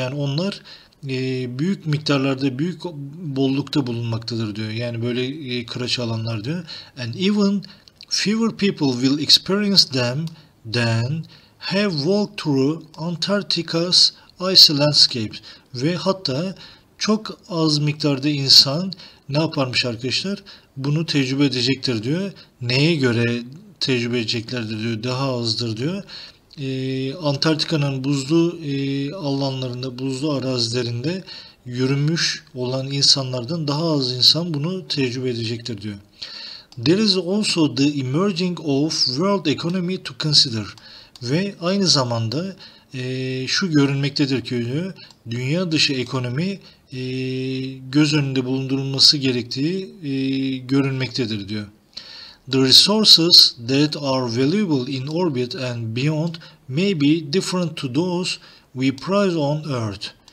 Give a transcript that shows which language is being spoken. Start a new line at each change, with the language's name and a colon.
Turkish: Yani onlar büyük miktarlarda, büyük bollukta bulunmaktadır diyor. Yani böyle kıraç alanlar diyor.
English: And even fewer people will experience them than have walked through Antarctica's icy landscapes.
Turkish: Ve hatta çok az miktarda insan ne yaparmış arkadaşlar? Bunu tecrübe edecektir diyor. Neye göre tecrübe edeceklerdir diyor. Daha azdır diyor. Antarktika'nın buzlu alanlarında, buzlu arazilerinde yürümüş olan insanlardan daha az insan bunu tecrübe edecektir diyor.
English: There is also the emerging of world economy to consider.
Turkish: Ve aynı zamanda şu görünmektedir ki diyor, dünya dışı ekonomi göz önünde bulundurulması gerektiği görünmektedir diyor.
English: The resources that are valuable in orbit and beyond may be different to those we prize on Earth.